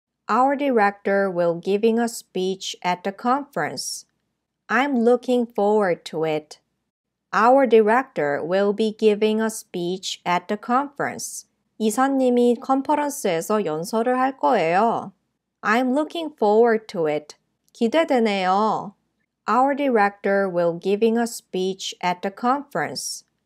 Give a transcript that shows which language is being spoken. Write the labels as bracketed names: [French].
[English] Our director will give a speech at the conference. I'm looking forward to it. Our director will be giving a speech at the conference. [Korean] 이사님이 컨퍼런스에서 연설을 할 거예요. [English] I'm looking forward to it. [Korean] 기대되네요. [English] Our director will give a speech at the conference.